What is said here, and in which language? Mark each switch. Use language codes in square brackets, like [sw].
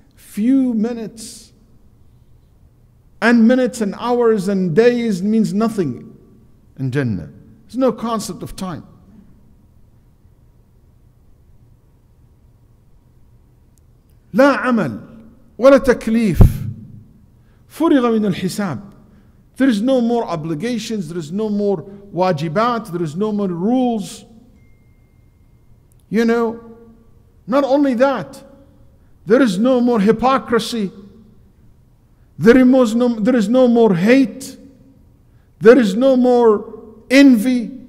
[en] few minutes. And minutes and hours and days means nothing in Jannah. There's no concept of time. [ar] لا عمل ولا تكليف فرغ من الحساب. [en] There is no more obligations, there is no more wajibat, there is no more rules. You know, not only that, there is no more hypocrisy. There is no more hate. There is no more envy.